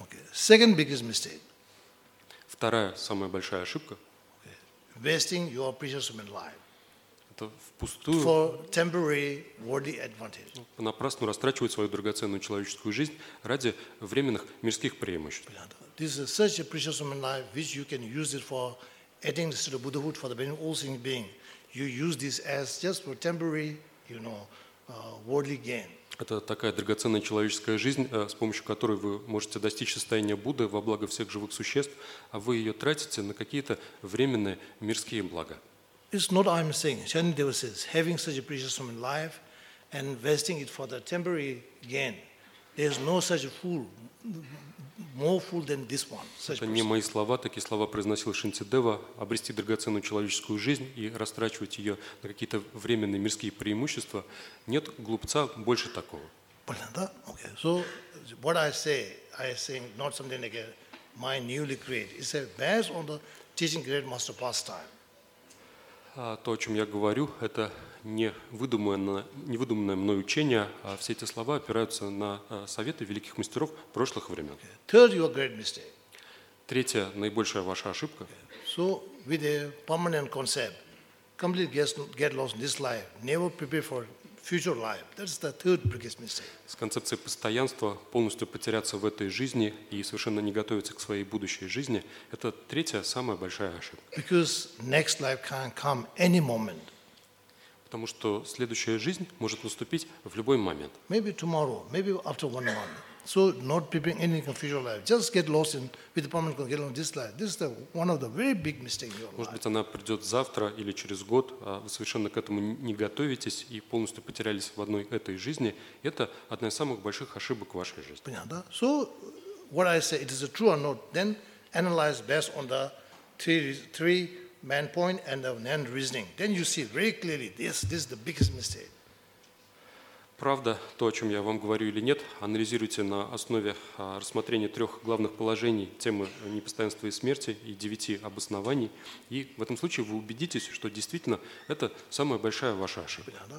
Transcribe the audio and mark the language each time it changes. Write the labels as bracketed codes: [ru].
[en] Okay. Second biggest mistake. [ru] Вторая самая большая ошибка. [en] Okay. Wasting your precious human life. [ru] Это впустую. [en] For temporary worldly advantage. [ru] Понапрасну растрачивать свою драгоценную человеческую жизнь ради временных мирских преимуществ. [en] This is such a precious human life which you can use it for adding to the Buddhahood for the benefit of all sentient beings. You use this as just for temporary, you know, worldly gain. [ru] Это такая драгоценная человеческая жизнь, с помощью которой вы можете достичь состояния Будды во благо всех живых существ, а вы ее тратите на какие-то временные мирские блага. [en] It's not I'm saying. Shantideva says, having such a precious human life and wasting it for the temporary gain, there's no such a fool. More fool than this one. [ru] Это не мои слова, такие слова произносил Шантидева. Обрести драгоценную человеческую жизнь и растрачивать ее на какие-то временные мирские преимущества. Нет глупца больше такого. Понятно, да? [en] Okay. So, what I say, not something like my newly created. It's based on the teaching great master pastime. [ru] То, о чем я говорю, это не выдуманное мной учение, а все эти слова опираются на советы великих мастеров прошлых времен. [en] Okay. Third, your great mistake. [ru] Третья, наибольшая ваша ошибка. [en] Okay. So, with a permanent concept, completely get lost in this life, never prepare for future life. That's the third biggest mistake. [ru] С концепцией постоянства, полностью потеряться в этой жизни и совершенно не готовиться к своей будущей жизни, это третья, самая большая ошибка. [en] Because next life can come any moment. [ru] Потому что следующая жизнь может наступить в любой момент. [en] Maybe tomorrow, maybe after 1 month. So not preparing any future life. Just get lost in with the permanent concept of this life. This is one of the very big mistakes in your life. [ru] Может быть, она придет завтра или через год, а вы совершенно к этому не готовитесь и полностью потерялись в одной этой жизни. Это одна из самых больших ошибок в вашей жизни. Понятно? [en] So what I say, it is a true or not, then analyze based on the three main point and the main reasoning. Then you see very clearly, this is the biggest mistake. [ru] Правда, то, о чем я вам говорю или нет, анализируйте на основе рассмотрения трех главных положений темы непостоянства и смерти и девяти обоснований, и в этом случае вы убедитесь, что действительно это самая большая ваша ошибка.